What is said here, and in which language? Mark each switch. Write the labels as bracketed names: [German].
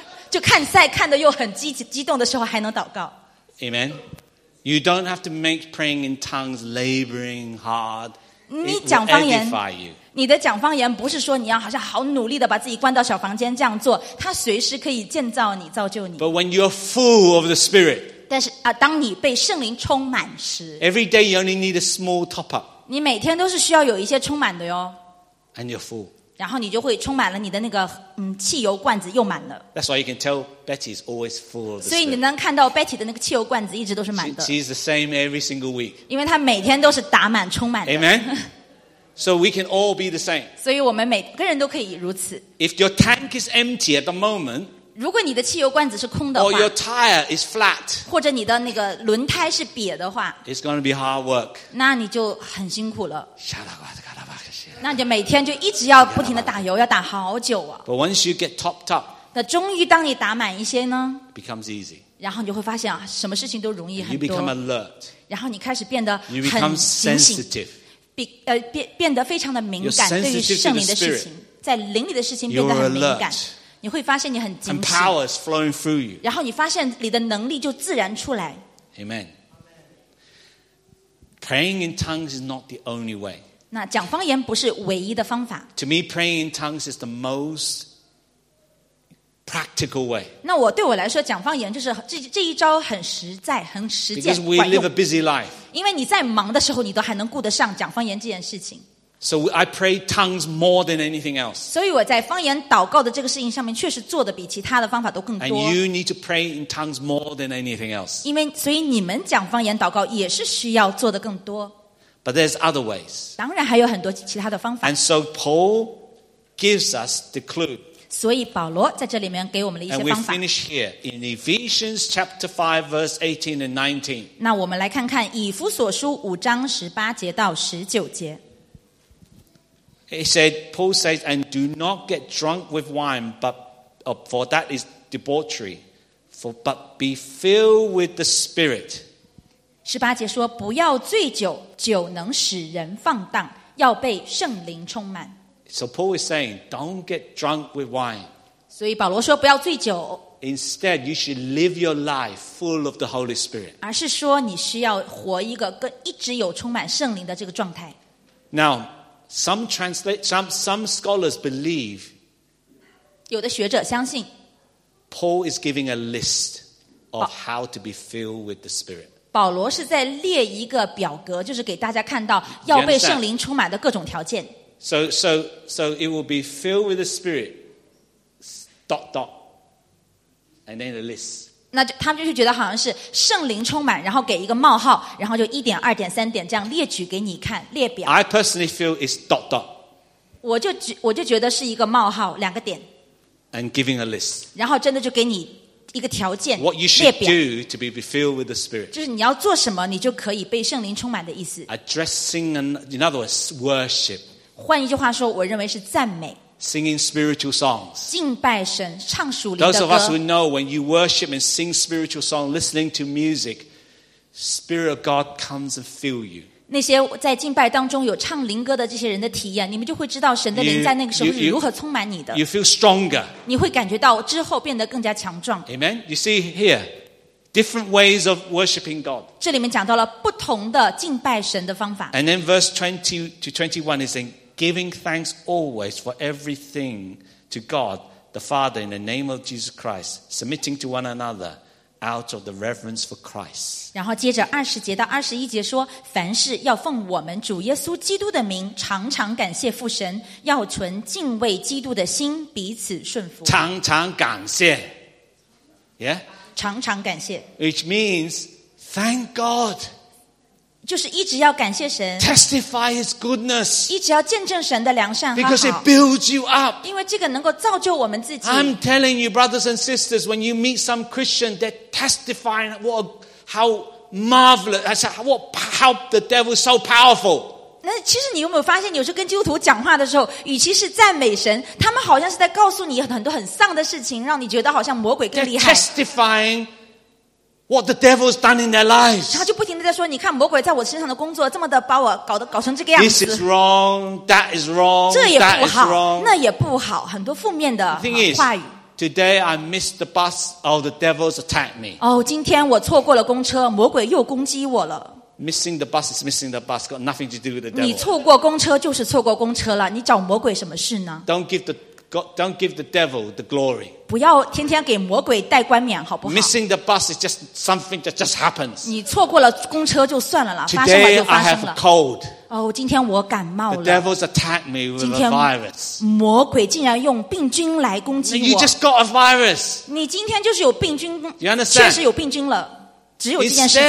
[Chinese] 就看赛看得又很激动的时候还能祷告。 [English] Amen. You don't have to make praying in tongues laboring hard. [Chinese] 你讲方言，你的讲方言不是说你要好像好努力的把自己关到小房间这样做，它随时可以建造你，造就你。 [English] But when you're full of the Spirit, [Chinese] 但是当你被圣灵充满时， [English] Every day you only need a small top up. [Chinese] 你每天都是需要有一些充满的哟。 [English] And you're full. [Chinese] 然后你就会充满了你的那个汽油罐子又满了。 [English] That's why you can tell Betty is always full of the Spirit. [Chinese] 所以你能看到 Betty 的那个汽油罐子一直都是满的。 [English] She's the same every single week. [Chinese] 因为她每天都是打满充满的。 [English] Amen. So we can all be the same. [Chinese] 所以我们每个人都可以如此。 [English] If your tank is empty at the moment, [Chinese] 如果你的汽油罐子是空的话 [English] or your tire is flat, [Chinese] 或者你的那个轮胎是瘪的话 [English] it's going to be hard work. [Chinese] 那你就很辛苦了。 [English] Shut up, God. [Chinese] 那就每天就一直要不停的打油，要打好久啊。 [English] But once you get topped up, [Chinese] 那终于当你打满一些呢 [English] ，it becomes easy. [Chinese] 然后你就会发现啊，什么事情都容易很多。 [English] You become alert. [Chinese] 然后你开始变得很警醒。 [English] You become sensitive. [Chinese] 变得非常的敏感，对于圣灵的事情，在灵里的事情变得很敏感。你会发现你很警醒。 [English] And power is flowing through you. [Chinese] 然后你发现你的能力就自然出来。 [English] Amen. Praying in tongues is not the only way. [Chinese] 那讲方言不是唯一的方法。 [English] To me, praying in tongues is the most practical way. [Chinese] 那我对我来说，讲方言就是这一招很实在、很实践、 [English] Because we live a busy life. [Chinese] 因为你在忙的时候，你都还能顾得上讲方言这件事情。 [English] So I pray tongues more than anything else. [Chinese] 所以我在方言祷告的这个事情上面，确实做的比其他的方法都更多。 [English] And you need to pray in tongues more than anything else. [Chinese] 因为所以你们讲方言祷告也是需要做的更多。 [English] But there's other ways. [Chinese] 当然还有很多其他的方法。 [English] And so Paul gives us the clue. [Chinese] 所以保罗在这里面给我们了一些方法。 [English] And we finish here in Ephesians chapter 5 verse 18 and 19. [Chinese] 那我们来看看以弗所书五章十八节到十九节。 [English] He said, Paul says, and do not get drunk with wine, but for that is debauchery. But be filled with the Spirit. [Chinese] 十八节说，不要醉酒，酒能使人放荡，要被圣灵充满。 [English] So Paul is saying, don't get drunk with wine. [Chinese] 所以保罗说不要醉酒。 [English] Instead, you should live your life full of the Holy Spirit. [Chinese] 而是说你需要活一个跟一直有充满圣灵的这个状态。 [English] Now, some scholars believe, [Chinese] 有的学者相信, [English] Paul is giving a list of how to be filled with the Spirit. [Chinese] 保罗是在列一个表格，就是给大家看到要被圣灵充满的各种条件。 [English] So it will be filled with the Spirit, dot dot, and then a list. [Chinese] 那就他们就是觉得好像是圣灵充满，然后给一个冒号，然后就一点、二点、三点这样列举给你看，列表。 [English] I personally feel it's dot dot. [Chinese] 我就觉得是一个冒号，两个点。 [English] And giving a list. [Chinese] 然后真的就给你一个条件。 [English] What you should do to be filled with the Spirit. [Chinese] 就是你要做什么，你就可以被圣灵充满的意思。 [English] Addressing, in other words, worship. [Chinese] 换一句话说，我认为是赞美。 [English] Singing spiritual songs. [Chinese] 敬拜神，唱属灵的歌。 [English] Those of us who know when you worship and sing spiritual songs, listening to music, Spirit of God comes and fill you. [Chinese] 那些在敬拜当中有唱灵歌的这些人的体验，你们就会知道神的灵在那个时候是如何充满你的。 [English] You feel stronger. [Chinese] 你会感觉到之后变得更加强壮。 [English] Amen. You see here, different ways of worshiping God. [Chinese] 这里面讲到了不同的敬拜神的方法。 [English] And then verse 20 to 21 is saying,Giving thanks always for everything to God the Father in the name of Jesus Christ, submitting to one another out of the reverence for Christ. [Chinese] 然后接着二十节到二十一节说，凡事要奉我们主耶稣基督的名，常常感谢父神，要存敬畏基督的心，彼此顺服。常常感谢 ，Yeah. 常常感谢 [English] ，which means thank God. [Chinese] 就是一直要感谢神 [English] ，testify His goodness， [Chinese] 一直要见证神的良善和好 [English] ，because it builds you up， [Chinese] 因为这个能够造就我们自己。 [English] I'm telling you, brothers and sisters, when you meet some Christian, they're testifying how the devil is so powerful。 [Chinese] 那其实你有没有发现，你有时候跟基督徒讲话的时候，与其是赞美神，他们好像是在告诉你很多很丧的事情，让你觉得好像魔鬼更厉害。 [English] Testifying。 What the devil's done in their lives. [Chinese] 他就不停地在说，你看魔鬼在我身上的工作，这么的把我搞成这个样子。 [English] This is wrong, that is wrong, [Chinese] 这也不好 [English] that is wrong. [Chinese] 那也不好，很多负面的话语。 [English] Today I missed the bus, or the devil's attacked me. [Chinese] 哦，今天我错过了公车，魔鬼又攻击我了。 [English] Missing the bus is missing the bus, got nothing to do with the devil. [Chinese] 你错过公车就是错过公车了，你找魔鬼什么事呢？ [English] Don't give the devil the glory. [Chinese] 不要天天给魔鬼戴冠冕，好不好？ [English] Missing the bus is just something that just happens. [Chinese] 你错过了公车就算了啦，发生了就发生了。 [English] Today I have a cold. [Chinese] 哦，今天我感冒了。 [English] The devil's attacked me with a virus. [Chinese] 魔鬼竟然用病菌来攻击我。 [English] You just got a virus. [Chinese] 你今天就是有病菌。 [English] You understand? [Chinese] 确实有病菌了，只有这件事情。